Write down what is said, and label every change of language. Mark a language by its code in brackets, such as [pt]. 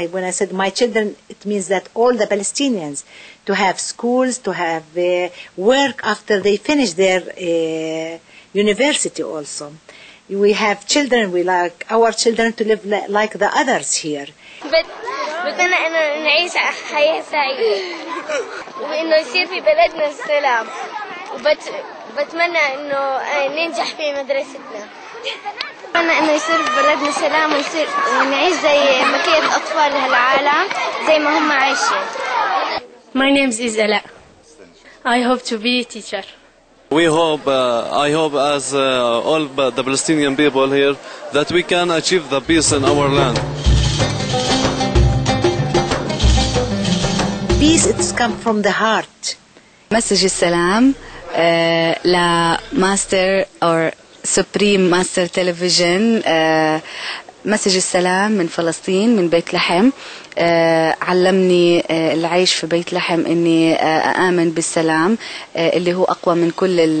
[en] When I said my children, it means that all the Palestinians to have schools, to have work after they finish their university also. We have children, we like our children to live like the others here. But I want to live a happy life. And to be in our country. But I want to succeed in our school. [ar] أتمنى إنه يصير في بلدنا سلام ويصير ونعيش زي بقية أطفال هالعالم زي ما هم عايشين. [en] My name is Ala. I hope to be a teacher. We hope, I hope as all the Palestinian people here that we can achieve the peace in our land. Peace, it's come from the heart. [ar] Message السلام لا ماستر أو Supreme Master Television مسج السلام من فلسطين من بيت لحم علمني العيش في بيت لحم اني آمن بالسلام اللي هو اقوى من كل